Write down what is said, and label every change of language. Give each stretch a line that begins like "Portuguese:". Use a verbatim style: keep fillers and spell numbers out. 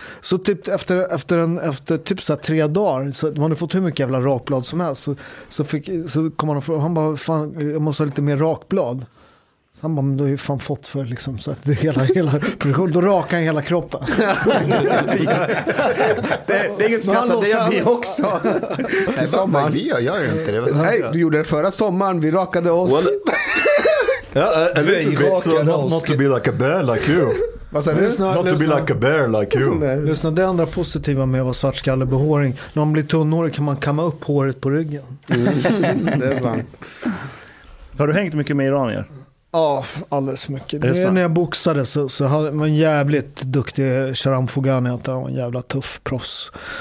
Swedish: Så typ efter efter en efter typ så här tre dagar så man hade fått hur mycket jävla rakblad som helst så så fick så kom han och han bara fan jag måste ha lite mer rakblad. Han bara, men du har ju fan fått för liksom, så att det hela, hela då rakar han hela kroppen. det, det är inget skratt att det gör vi också. Till sommaren. Vi gör ju inte det. Nej, du gjorde det förra sommaren. Vi rakade oss.
English: Well, yeah, a, a little bit, so not, not to be like a bear like you.
Swedish: Lyssna,
English: Not
Swedish: lyssna,
English: to be like a bear like you.
Swedish: Lyssna, det andra positiva med att vara svartskallebehåring. När man blir tunnhårig kan man kamma upp håret på ryggen. Mm. Det är sant. Har du hängt mycket med iranier? Ja, alldeles för mycket. Det det när jag boxade så, så hade man jävligt duktig Sharam Foghani, att han var en jävla tuff proffs.